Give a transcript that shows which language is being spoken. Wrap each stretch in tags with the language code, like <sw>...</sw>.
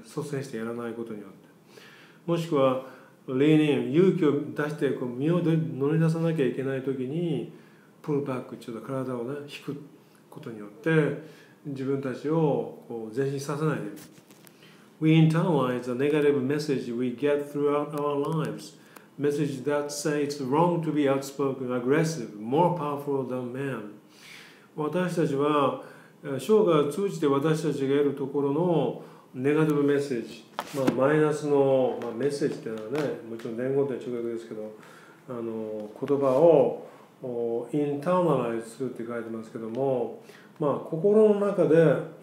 <ja>率先してやらないことによって、もしくは</ja> <en>lean in</en> <ja>勇気を出してこう身を乗り出さなきゃいけない時に</ja> <en>pull back、</en> <ja>ちょっと体をね引くことによって自分たちをこう前進させないで。</ja> <en>We internalize the negative message we get throughout our lives, message that say it's wrong to be outspoken, aggressive, more powerful than men。</en> <ja>私たちは生涯を通じて私たちが得るところのネガティブメッセージ、まあ、マイナスの、まあ、メッセージというのはね、もちろん伝言というのは直訳ですけど、あの言葉をインターナライズするって書いてますけども、まあ、心の中で</ja>